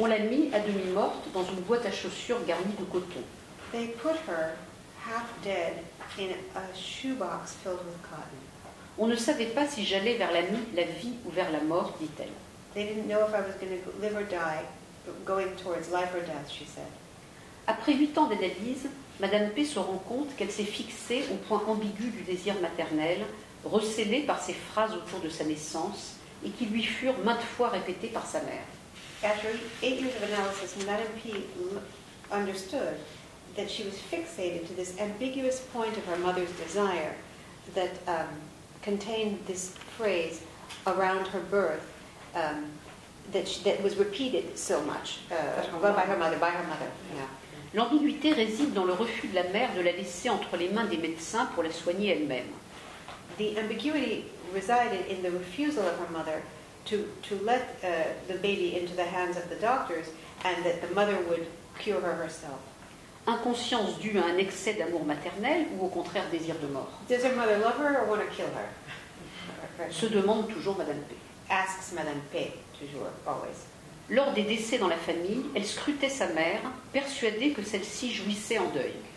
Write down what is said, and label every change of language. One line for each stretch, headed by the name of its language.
French: On l'a mis à demi morte dans une boîte à chaussures garnie de coton.
English: They put her half dead in a shoebox filled with cotton.
French: On ne savait pas si j'allais vers la vie ou vers la mort, dit-elle.
English: They didn't know if I was going to live or die, going towards life or death, she said.
French: Après 8 ans d'analyse, Madame P se rend compte qu'elle s'est fixée au point ambigu du désir maternel, recelé par ses phrases autour de sa naissance et qui lui furent maintes fois répétées par sa mère.
English: After 8 years of analysis, Madame P understood that she was fixated to this ambiguous point of her mother's desire that contained this phrase around her birth that was repeated so much by her mother. Yeah.
French: L'ambiguïté réside dans le refus de la mère de la laisser entre les mains des médecins pour la soigner elle-même.
English: The ambiguity resided in the refusal of her mother to let the baby into the hands of the doctors and that the mother would cure her herself.
French: Inconscience due à un excès d'amour maternel ou au contraire désir de mort.
English: Does her mother love her or want to kill her?
French: Se demande toujours Madame P.
English: Asks Madame P.
French: toujours,
English: always.
French: Lors des décès dans la famille, elle scrutait sa mère, persuadée que celle-ci jouissait en deuil.